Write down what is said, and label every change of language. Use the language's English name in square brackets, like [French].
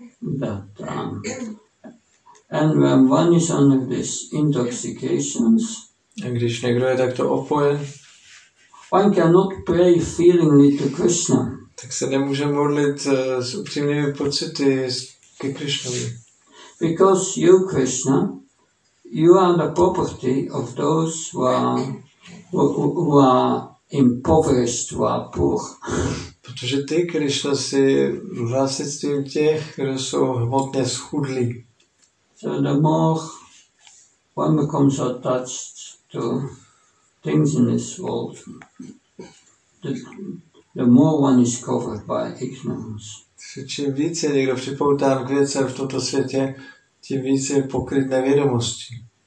[English] That, and when one is under these intoxications. [Czech] A když někdo je takto opojen. [English] One cannot pray feelingly to Krishna. [Czech] Tak se nemůže modlit s upřímnými pocity ke Krišnovi. [English] Because you, Krishna, you are the property of those who are impoverished, who are poor. [Czech] Protože ty, Krišna, si vlastnictvím těch, kdo jsou hmotně schudlí. [English] So the more one becomes attached to things in this world, the more one is covered by ignorance. [Czech] Čím více někdo připoutá k věcem v tomto světě, tím více je pokryt nevědomosti.